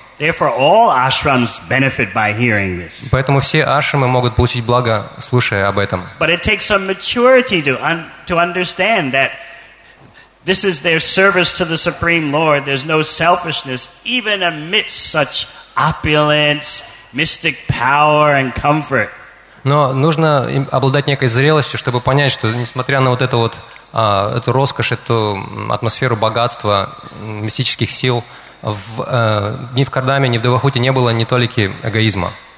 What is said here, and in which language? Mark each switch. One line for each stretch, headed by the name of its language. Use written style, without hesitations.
English: Therefore, all ashrams benefit by hearing this.
Russian: Поэтому все ашрамы могут получить благо, слушая об этом.
English: But it takes some maturity to understand that this is their service to the Supreme Lord. There's no selfishness, even amidst such opulence, mystic power and comfort.
Russian: Но нужно обладать некой зрелостью, чтобы понять, что несмотря на вот это вот эту роскошь, эту атмосферу богатства, мистических сил, ни в Кардаме, ни в Девахути не было ни толики эгоизма.